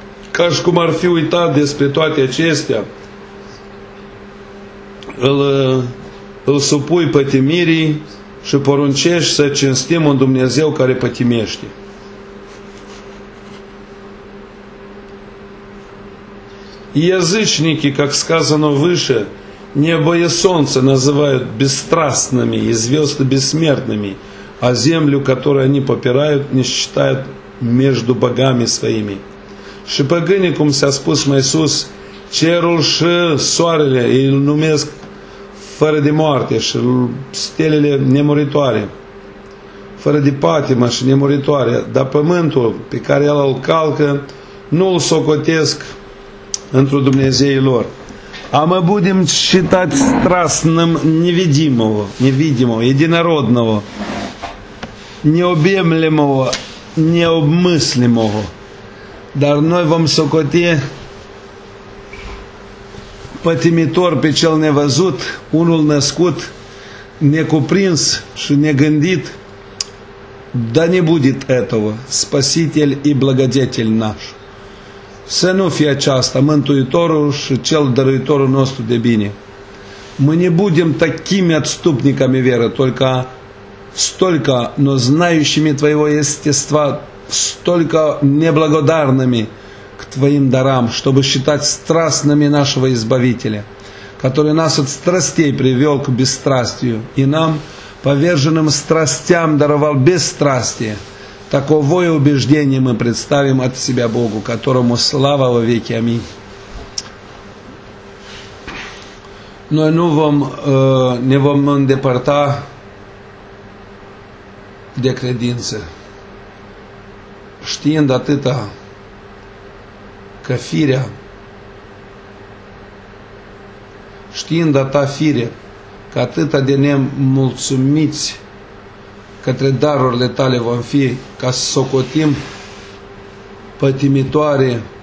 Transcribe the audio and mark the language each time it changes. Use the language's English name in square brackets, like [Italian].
[Romanian] Ca și cum ar fi uitat despre toate acestea, îl supui pătimirii și poruncești să cinstim un Dumnezeu care pătimește. [Russian] Язычники, как сказано выше, небо и солнце называют бесстрастными и звезды бессмертными, а землю, которую они попирают, не считают между богами своими. [Romanian] Și păgâni, cum s-a spus mai sus, cerul și soarele îl numesc fără de moarte și stelele nemuritoare, fără de patimă și nemuritoare, dar pământul pe care el îl calcă nu îl socotesc într-o Dumnezeii lor. [Russian] А мы будем считать страстным невидимого, невидимого, единородного, необъемлемого, необмыслимого. [Romanian] Dar noi vom socoti pătimitor pe cel nevăzut, unul născut, necuprins și negândit, [Russian] dar ne budit etovă, spăsitel și blăgădetel naș. [Romanian] Să nu fie aceasta mântuitorul și cel dăruitorul nostru de bine. [Russian] Мы не будем такими отступниками веры, только столько, но знающими твоего естества, столько неблагодарными к твоим дарам, чтобы считать страстными нашего Избавителя, который нас от страстей привел к бесстрастию, и нам, поверженным страстям, даровал бесстрастие. Таковое убеждение мы представим от себя Богу, которому слава во веки. Аминь. [Romanian] Noi nu vom, ne vom îndepărta de credință, știind atâta că firea, știind a ta fire, că atâta de nemulțumiți către darurile tale vom fi, ca să socotim pătimitoare,